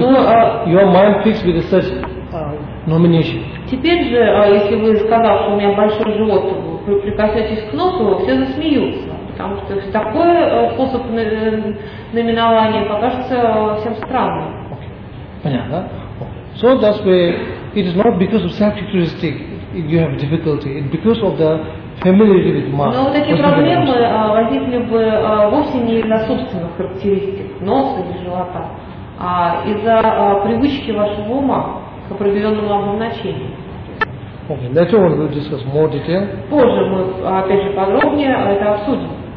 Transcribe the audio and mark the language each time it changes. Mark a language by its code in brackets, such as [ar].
[en] Because your mind fixed with such nomination. [ru] Теперь же, если вы сказали, что у меня большой живот, вы прикасаетесь к носу, все засмеются. Потому что такой способ наименования покажется всем странным. Понятно, да? [en] So that's why it is not because of self-characteristic you have difficulty, it's because of the familiarity with mind. [ru] Но такие проблемы возникли бы вовсе не из-за собственных характеристик носа или живота, а из-за привычки вашего ума к определенному обозначению. [en] Okay, later on we'll discuss more detail. [ru] Позже мы опять же подробнее это обсудим.